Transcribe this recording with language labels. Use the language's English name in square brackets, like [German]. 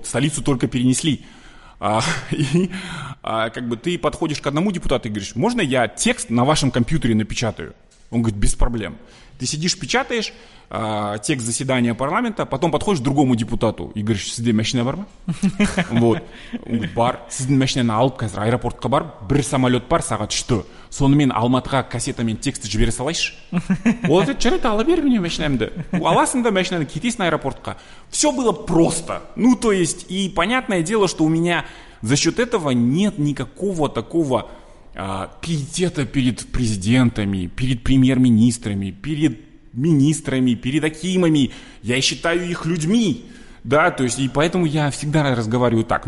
[Russian] Столицу только перенесли. Ты подходишь к одному депутату и говоришь, можно я текст на вашем компьютере напечатаю? Он говорит, без проблем. Ты сидишь, печатаешь текст заседания парламента, потом подходишь к другому депутату и говоришь, [Kazakh] сізде машина бар ма? [Russian] Вот. Он говорит, [Kazakh] бар. Сізде машинаны алып, қазір аэропортқа бар, бір самолет бар, сағат үште. Сонымен Алматыға кассетамен текстті жібере салайшы. Ол деп, жарайды, ала бер мені машинамды. Аласың да машинаны, кетесің аэропортқа. [Russian] Все было просто. Ну, то есть, и понятное дело, что у меня за счет этого нет никакого такого... пиетета перед президентами, перед премьер-министрами, перед министрами, перед акимами. Я считаю их людьми. Да, то есть, и поэтому я всегда разговариваю так.